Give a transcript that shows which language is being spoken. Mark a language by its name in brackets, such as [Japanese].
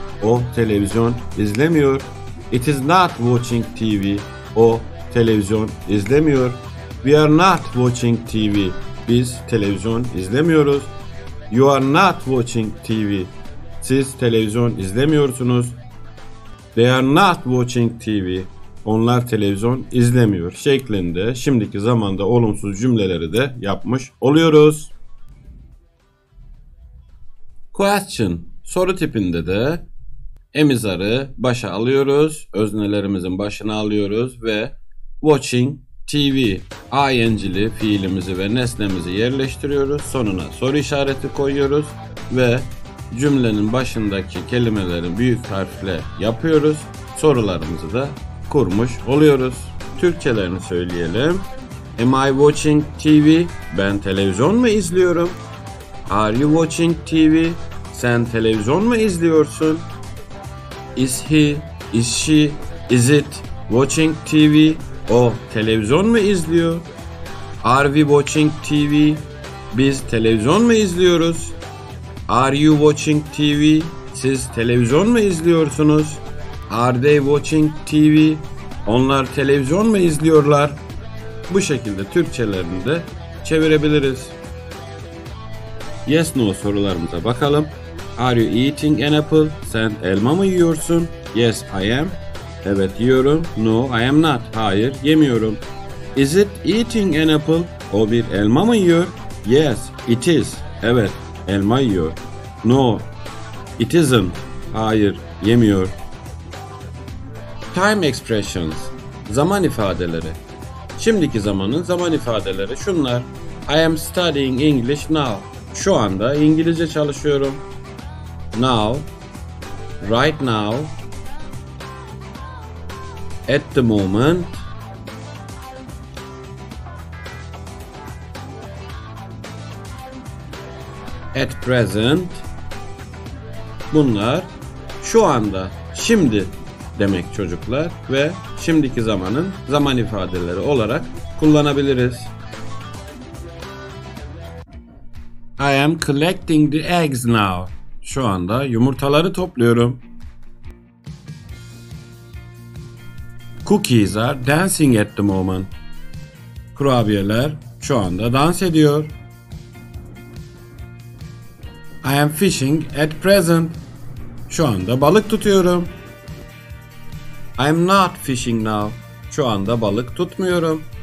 [Turkish] O televizyon izlemiyor. [English] It is not watching TV. [Turkish] O televizyon izlemiyor. [English] We are not watching TV. [Turkish] Biz televizyon izlemiyoruz. [English] You are not watching TV. [Turkish] Siz televizyon izlemiyorsunuz. [English] They are not watching TV. [Turkish] Onlar televizyon izlemiyor şeklinde şimdiki zamanda olumsuz cümleleri de yapmış oluyoruz. Question soru tipinde de emizarı başa alıyoruz. Öznelerimizin başına alıyoruz ve watching TV ing'li fiilimizi ve nesnemizi yerleştiriyoruz. Sonuna soru işareti koyuyoruz ve cümlenin başındaki kelimeleri büyük harfle yapıyoruz. Sorularımızı da kurmuş oluyoruz. Türkçelerini söyleyelim. [English] Am I watching TV? [Turkish] Ben televizyon mu izliyorum? [English] Are you watching TV? [Turkish] Sen televizyon mu izliyorsun? [English] Is he, is she, is it watching TV? [Turkish] O televizyon mu izliyor? [English] Are we watching TV? [Turkish] Biz televizyon mu izliyoruz? [English] Are you watching TV? [Turkish] Siz televizyon mu izliyorsunuz? [English] Are they watching TV? [Turkish] Onlar televizyon mu izliyorlar? Bu şekilde Türkçelerini de çevirebiliriz. Yes no sorularımıza bakalım. [English] Are you eating an apple? [Turkish] Sen elma mı yiyorsun? [English] Yes I am. [Turkish] Evet yiyorum. [English] No I am not. [Turkish] Hayır yemiyorum. [English] Is it eating an apple? [Turkish] O bir elma mı yiyor? [English] Yes it is. [Turkish] Evet elma yiyor. [English] No it isn't. [Turkish] Hayır yemiyor. [English] Time expressions. [Turkish] Zaman ifadeleri. Şimdiki zamanın zaman ifadeleri şunlar. [English] I am studying English now. [Turkish] Şu anda İngilizce çalışıyorum. [English] Now, right now, at the moment, at present. [Turkish] Bunlar şu anda, şimdi demek çocuklar ve şimdiki zamanın zaman ifadeleri olarak kullanabiliriz. [English] I am collecting the eggs now. [Turkish] Şu anda yumurtaları topluyorum. [English] Cookies are dancing at the moment. [Turkish] Kurabiyeler şu anda dans ediyor. [English] I am fishing at present. [Turkish] Şu anda balık tutuyorum. [English] I am not fishing now. [Turkish] Şu anda balık tutmuyorum.